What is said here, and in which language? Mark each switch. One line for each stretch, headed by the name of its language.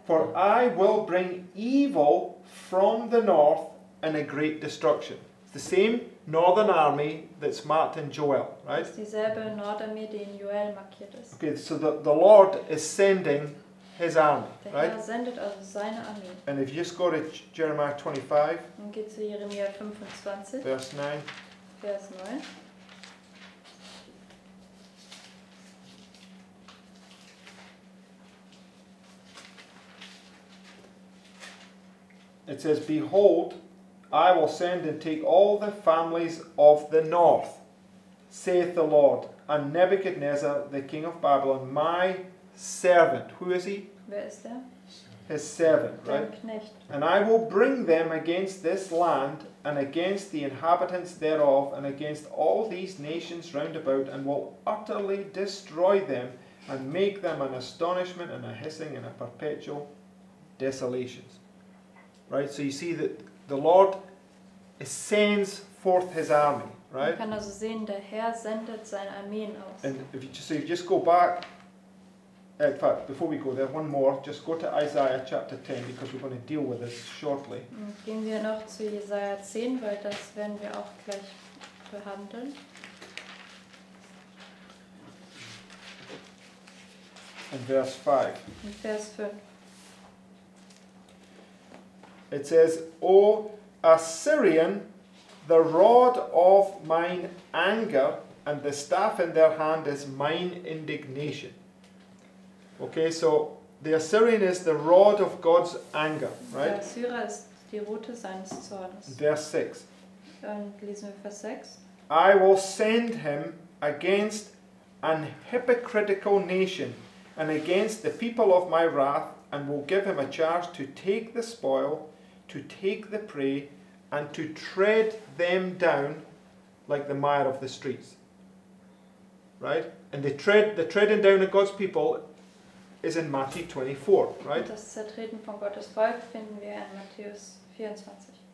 English: For I will bring evil from the north and a great destruction. The same northern army that's marked in Joel, right?
German: Dieselbe Nordarmee, die in Joel markiert ist.
English: Okay, so the Lord is sending his army,
German: der
English: right?
German: Herr sendet also seine Armee.
English: And if you just go to Jeremiah 25,
German: und geht zu Jeremia 25, Vers 9, Vers 9.
English: It says, behold, I will send and take all the families of the north, saith the Lord, and Nebuchadnezzar, the king of Babylon, my servant. Who is he?
German: Wer ist der?
English: His servant,
German: Dein
English: right?
German: Knecht.
English: And I will bring them against this land, and against the inhabitants thereof, and against all these nations round about, and will utterly destroy them, and make them an astonishment, and a hissing, and a perpetual desolation. Right, so you see that the Lord sends forth his army, right?
German: Man kann also sehen, der Herr sendet seine Armeen aus.
English: And if you just, so you just go back, in fact, before we go there, one more, just go to Isaiah chapter 10, because we're going to deal with this shortly.
German: Und gehen wir noch zu Jesaja 10, weil das werden wir auch gleich behandeln.
English: And verse 5.
German: In Vers 5.
English: It says, O Assyrian, the rod of mine anger and the staff in their hand is mine indignation. Okay, so the Assyrian is the rod of God's anger, right?
German: Der Assyrer ist die Rute seines Zornes.
English: Verse 6.
German: Dann lesen wir Vers 6.
English: I will send him against an hypocritical nation and against the people of my wrath and will give him a charge to take the spoil, to take the prey and to tread them down like the mire of the streets. Right? And the treading down of God's people is in Matthew 24, right?
German: Das Zertreten von Gottes Volk finden wir in Matthäus 24.